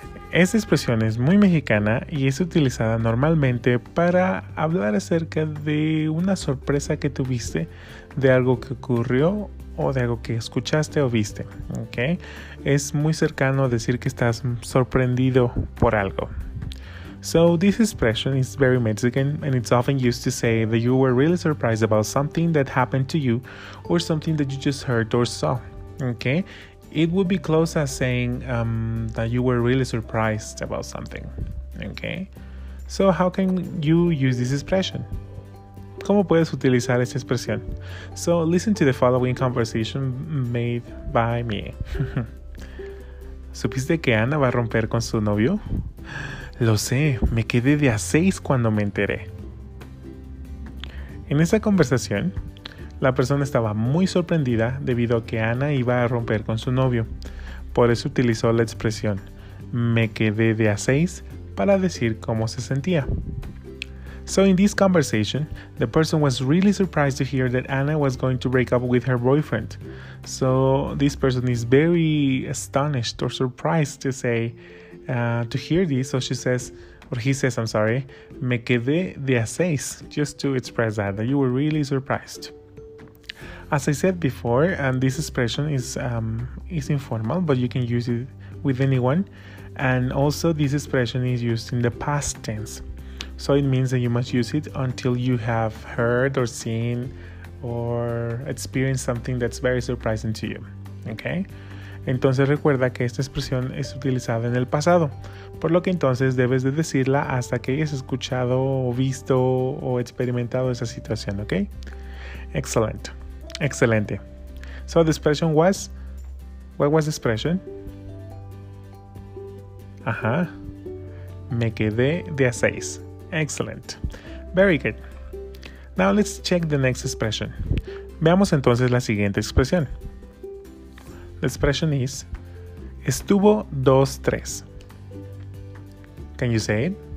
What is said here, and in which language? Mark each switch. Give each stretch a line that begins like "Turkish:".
Spanish: Esta expresión es muy mexicana y es utilizada normalmente para hablar acerca de una sorpresa que tuviste, de algo que ocurrió o de algo que escuchaste o viste.
English: Okay.
Spanish: Es muy cercano a decir que estás sorprendido por algo.
English: So this expression is very Mexican, and it's often used to say that you were really surprised about something that happened to you or something that you just heard or saw. Okay? It would be close as saying that you were really surprised about something. Okay? So how can you use this expression?
Spanish: ¿Cómo puedes utilizar esta expresión?
English: So listen to the following conversation made by me.
Spanish: ¿Supiste que Ana va a romper con su novio? Lo sé, me quedé de a seis cuando me enteré. En esa conversación, la persona estaba muy sorprendida debido a que Ana iba a romper con su novio. Por eso utilizó la expresión me quedé de a seis para decir cómo se sentía.
English: So in this conversation, the person was really surprised to hear that Ana was going to break up with her boyfriend. So this person is very astonished or surprised to say to hear this, so she says, or he says, I'm sorry,
Spanish: me quedé de a seis,
English: just to express that you were really surprised. As I said before, and this expression is informal, but you can use it with anyone. And also, this expression is used in the past tense, so it means that you must use it until you have heard or seen or experienced something that's very surprising to you. Okay.
Spanish: Entonces recuerda que esta expresión es utilizada en el pasado, por lo que entonces debes de decirla hasta que hayas escuchado o visto o experimentado esa situación, ¿ok?
English: Excellent.
Spanish: Excelente.
English: So the expression was, what was the expression? Ajá.
Spanish: Me quedé de a seis.
English: Excellent. Very good. Now let's check the next expression.
Spanish: Veamos entonces la siguiente expresión. La expresión es, estuvo 2-3.
English: Can you say it?